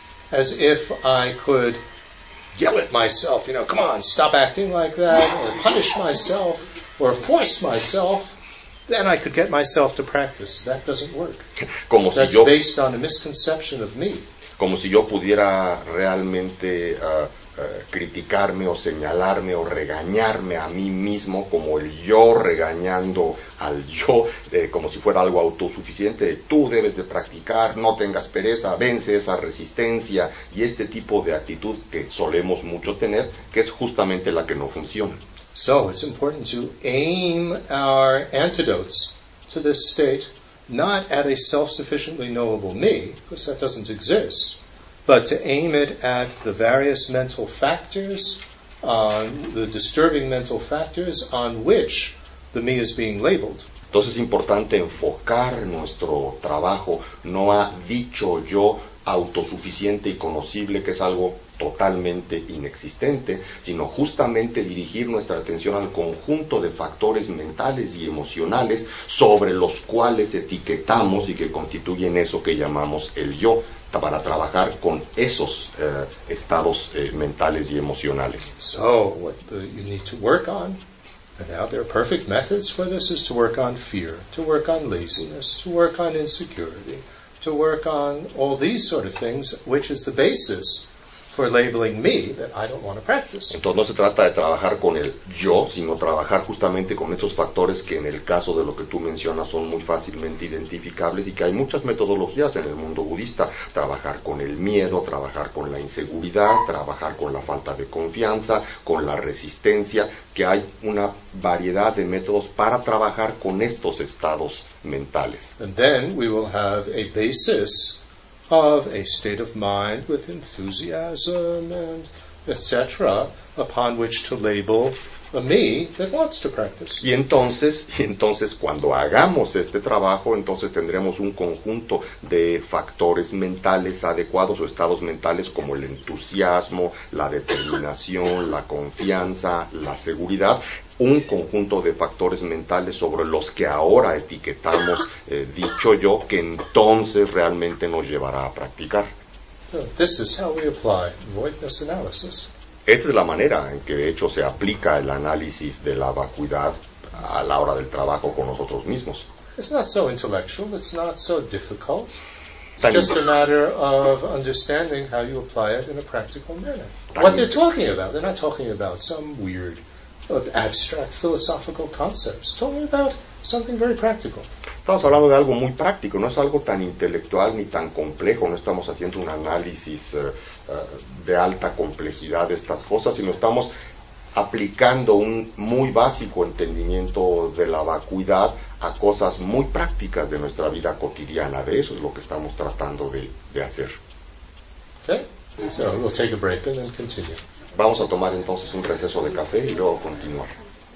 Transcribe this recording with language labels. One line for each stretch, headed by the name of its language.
English: As if I could yell at myself, you know, come on, stop acting like that, or punish myself, or force myself, then I could get myself to practice. That doesn't work.
Spanish: Como
English: That's
Spanish: si yo,
English: based on a misconception of me.
Spanish: Como si yo pudiera realmente criticarme o señalarme o regañarme a mí mismo como el yo regañando al yo, como si fuera algo autosuficiente, de tú debes de practicar, no tengas pereza, vence esa resistencia y este tipo de actitud que solemos mucho tener, que es justamente la que no funciona.
English: So, it's important to aim our antidotes to this state not at a self-sufficiently knowable me, because that doesn't exist, but to aim it at the various mental factors, the disturbing mental factors on which the me is being labeled.
Spanish: Entonces es importante enfocar nuestro trabajo no a dicho yo autosuficiente y conocible, que es algo totalmente inexistente, sino justamente dirigir nuestra atención al conjunto de factores mentales y emocionales sobre los cuales etiquetamos y que constituyen eso que llamamos el yo, para trabajar con esos estados mentales y emocionales.
English: So, what you need to work on, and now there are perfect methods for this, is to work on fear, to work on laziness, to work on insecurity, to work on all these sort of things, which is the basis for labeling me that I don't want to practice.
Spanish: Entonces no se trata de trabajar con el yo, sino trabajar justamente con estos factores que en el caso de lo que tú mencionas son muy fácilmente identificables y que hay muchas metodologías en el mundo budista. Trabajar con el miedo, trabajar con la inseguridad, trabajar con la falta de confianza, con la resistencia, que hay una variedad de métodos para trabajar con estos estados mentales.
English: And then we will have a basis of a state of mind with enthusiasm and etc. upon which to label a me that wants to practice.
Spanish: Y entonces cuando hagamos este trabajo, entonces tendremos un conjunto de factores mentales adecuados o estados mentales como el entusiasmo, la determinación, la confianza, la seguridad, un conjunto de factores mentales sobre los que ahora etiquetamos dicho yo, que entonces realmente nos llevará a practicar.
English: This is how we apply voidness analysis.
Spanish: Esta es la manera en que de hecho se aplica el análisis de la vacuidad a la hora del trabajo con nosotros mismos.
English: It's not so intellectual, it's not so difficult. It's just a matter of understanding how you apply it in a practical manner. What they're talking about, they're not talking about some weird of abstract philosophical concepts. Talking about something very practical.
Spanish: Estamos hablando de algo muy práctico. No es algo tan intelectual ni tan complejo. No estamos haciendo un análisis de alta complejidad de estas cosas, sino estamos aplicando un muy básico entendimiento de la vacuidad a cosas muy prácticas de nuestra vida cotidiana. De eso es lo que estamos tratando de hacer.
English: Okay. So we'll take a break and then continue.
Spanish: Vamos a tomar entonces un receso de café y luego continuar.